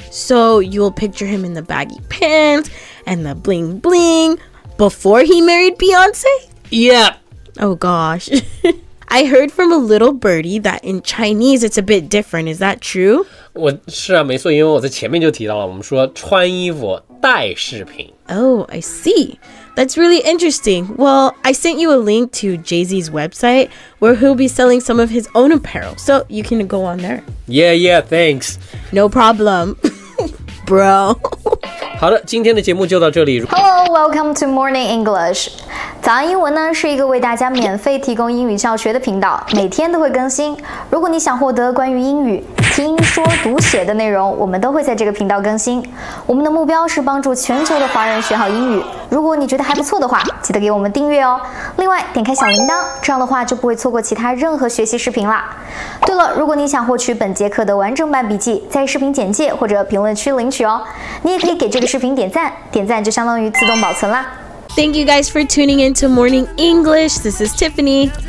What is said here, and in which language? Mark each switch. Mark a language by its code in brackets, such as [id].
[en] So you will picture him in the baggy pants and the bling bling before he married Beyonce? Yeah. Oh gosh. I heard from a little birdie that in Chinese it's a bit different. Is that true? [zh] 我是啊，没错，因为我在前面就提到了，我们说穿衣服戴饰品。 [en] Oh, I see. That's really interesting. Well, I sent you a link to Jay-Z's website where he'll be selling some of his own apparel. So you can go on there. Yeah, thanks. No problem. Bro. [zh] 好的，今天的节目就到这里。 [en] Hello, welcome to Morning English. [zh] 早安英文呢，是一个为大家免费提供英语教学的频道，每天都会更新。如果你想获得关于英语听说读写的内容，我们都会在这个频道更新。我们的目标是帮助全球的华人学好英语。如果你觉得还不错的话，记得给我们订阅哦。另外，点开小铃铛，这样的话就不会错过其他任何学习视频啦。对了，如果你想获取本节课的完整版笔记，在视频简介或者评论区领取哦。你也可以给这个视频点赞，点赞就相当于自动保存啦。 [en] Thank you guys for tuning in to Morning English. This is Tiffany.